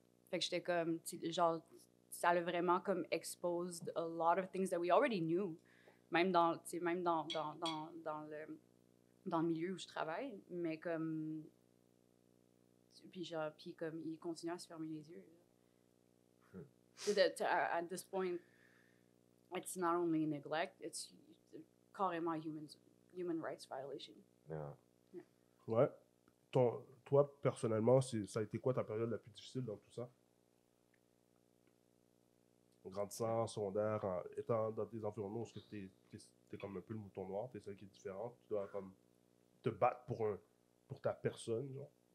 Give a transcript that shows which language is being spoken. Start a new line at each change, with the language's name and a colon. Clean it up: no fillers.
French: Fait que j'étais comme, genre, ça a vraiment comme
English: exposed a lot of things that we already knew,
French: même dans le milieu où je travaille, mais comme, puis comme, il continue à se fermer les yeux.
English: At this point, it's not only neglect, it's carrément human rights violation. Yeah.
French: Ouais. Toi, personnellement, ça a été quoi ta période la plus difficile dans tout ça? Grandissant, secondaire, étant dans des environnements où t'es comme un peu le mouton noir, t'es celle qui est différente, tu dois comme te battre pour ta personne, genre.